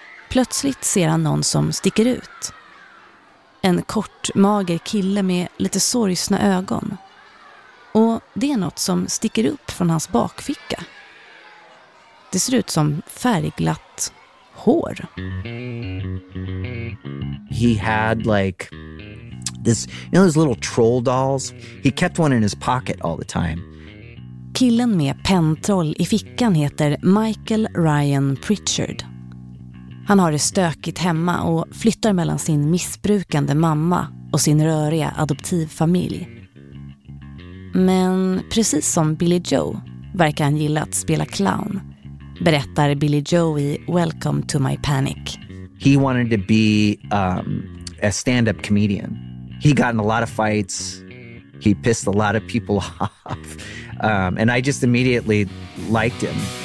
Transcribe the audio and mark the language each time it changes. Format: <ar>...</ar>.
<sv>Plötsligt ser han någon som sticker ut. En kort, mager kille med lite sorgsna ögon. Och det är något som sticker upp från hans bakficka. Det ser ut som färgglatt hår.</sv> <en>He had like this, you know, those little troll dolls. He kept one in his pocket all the time.</en> <sv>Killen med pentroll i fickan heter Michael Ryan Pritchard. Han har det stökigt hemma och flyttar mellan sin missbrukande mamma och sin röriga adoptivfamilj. Men precis som Billy Joe verkar han gilla att spela clown, berättar Billy Joe i Welcome to My Panic.</sv> <en>He wanted to be a stand-up comedian. He got in a lot of fights. He pissed a lot of people off. And I just immediately liked him.</en>